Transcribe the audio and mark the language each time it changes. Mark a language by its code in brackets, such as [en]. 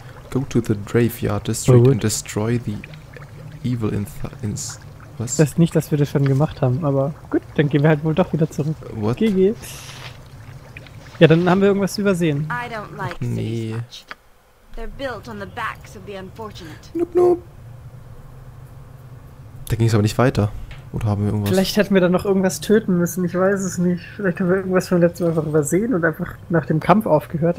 [en] Go to the Graveyard District and destroy the evil ins... [de] Was? Das ist nicht, dass wir das schon gemacht haben, aber gut, dann gehen wir halt wohl doch wieder zurück. [en] What? [de] GG. Ja, dann haben wir irgendwas übersehen. [en] I don't like [de] nee. [en] They're built on the backs of the unfortunate. Nope, nope. [de] Da ging es aber nicht weiter. Oder haben wir irgendwas? Vielleicht hätten wir dann noch irgendwas töten müssen, ich weiß es nicht. Vielleicht haben wir irgendwas vom letzten Mal einfach übersehen und einfach nach dem Kampf aufgehört.